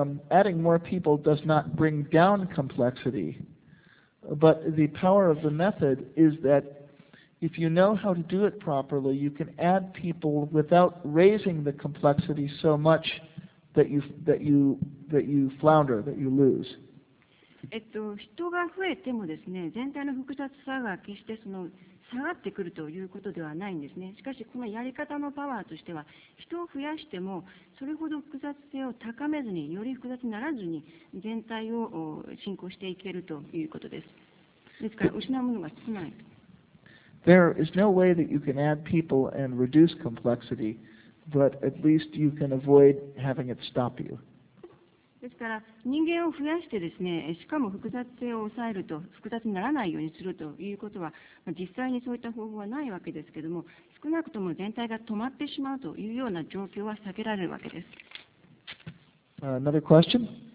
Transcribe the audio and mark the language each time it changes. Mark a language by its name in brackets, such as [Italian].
[English] Adding more people does not bring down complexity, but the power of the method is that if you know how to do it properly, you can add people without raising the complexity so much that you flounder, that you lose. [Japanese] 人が増えてもですね、全体の複雑さが決してその下がってくるということではないんですね。しかし、このやり方のパワーとしては、人を増やしても、それほど複雑性を高めずに、より複雑にならずに、全体を進行していけるということです。ですから、失うものが少ない。 [English] There is no way that you can add people and reduce complexity, but at least you can avoid having it stop you. [Japanese] ですから人間を増やしてですね、しかも複雑性を抑えると、複雑にならないようにするということは、実際にそういった方法はないわけですけれども、少なくとも全体が止まってしまうというような状況は避けられるわけです。 [English] Another question?